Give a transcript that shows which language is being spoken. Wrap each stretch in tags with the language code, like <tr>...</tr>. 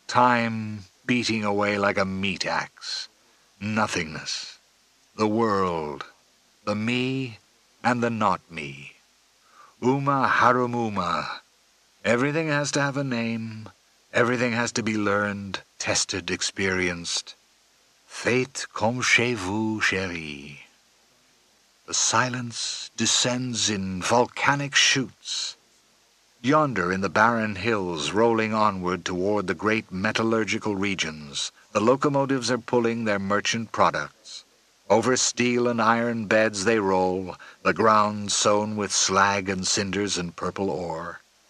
<en>Time beating away like a meat axe. Nothingness. The world. The me and the not me. Uma harumuma. Everything has to have a name. Everything has to be learned, tested, experienced.</en> <fr>Faites comme chez vous, chérie.</fr> <en>The silence descends in volcanic shoots. Yonder in the barren hills, rolling onward toward the great metallurgical regions, the locomotives are pulling their merchant products. Over steel and iron beds they roll, the ground sown with slag and cinders and purple ore.</en>